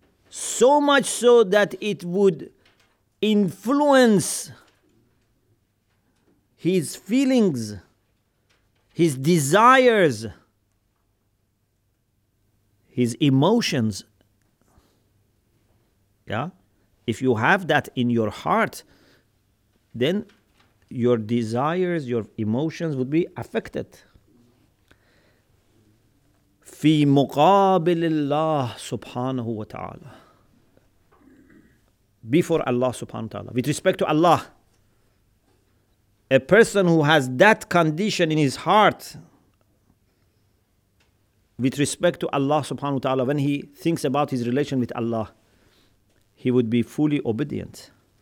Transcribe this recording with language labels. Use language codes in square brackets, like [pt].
[en] So much so that it would influence his feelings, his desires, his emotions. Yeah? If you have that in your heart, then your desires, your emotions would be affected. [ar] في مقابل الله سبحانه وتعالى. [en] Before Allah subhanahu wa ta'ala. With respect to Allah, a person who has that condition in his heart with respect to Allah subhanahu wa ta'ala, when he thinks about his relation with Allah, he would be fully obedient.